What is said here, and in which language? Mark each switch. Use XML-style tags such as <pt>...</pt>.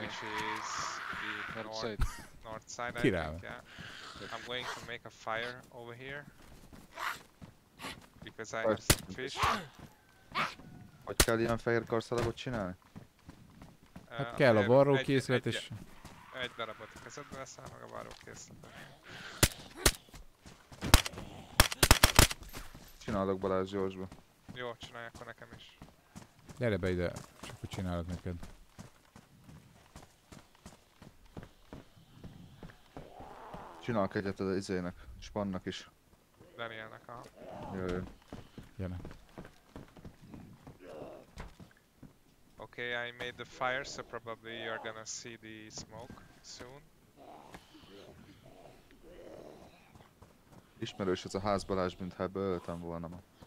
<en>Which is the north side, I think, yeah. I'm going to make a fire over here. Because I have some fish.</en> <hu>Hogy kell ilyen fehér karszalagot csinálni? Hát kell a varrókészlet is. Egy darabot a kezedbe veszel, meg a varrókészlet. Csinálok Balázs Gyorsba. Jó, csinálj akkor nekem is. Gyere be ide, csak akkor csinálok neked. Csinálok egyet az izének, Spannak is. Danielnek, aha. Jöjjön.</hu> <en>Okay, I made the fire, so probably you're gonna see the smoke soon.</en> <hu>Ismerős ez a ház, Balázs, mintha ebből öltem volna ma.</hu>